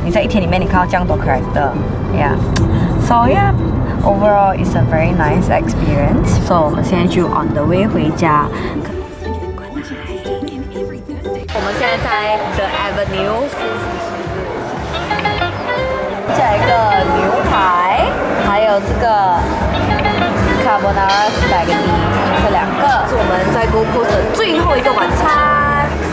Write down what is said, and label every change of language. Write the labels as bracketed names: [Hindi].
[Chinese] 你在一天里面你看到这样多 character， yeah， so yeah。 [English] overall it's a very nice experience， so [Chinese] 我们现在就 [English] on the way [Chinese] 回家。现在在 The Avenue， 这一个牛排，还有这个 Carbonara Spaghetti， 这两个是我们在 Gold Coast 的最后一个晚餐。